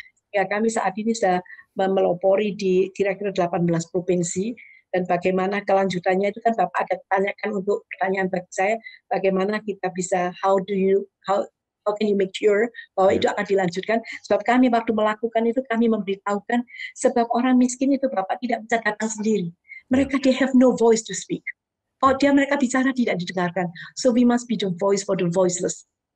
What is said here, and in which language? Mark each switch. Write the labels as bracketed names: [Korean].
[Indonesian] Ya, kami saat ini sudah melopori di kira-kira 18 provinsi, dan bagaimana kelanjutannya itu kan Bapak ada tanyakan untuk pertanyaan bagi saya, bagaimana kita bisa [English] how can you make sure [Indonesian] bahwa itu akan dilanjutkan. Sebab kami waktu melakukan itu, kami memberitahukan, sebab orang miskin itu Bapak tidak bisa datang sendiri. Mereka, [English] they have no voice to speak. [Indonesian] Oh, dia mereka bicara tidak didengarkan. [English] So we must be the voice for the voiceless.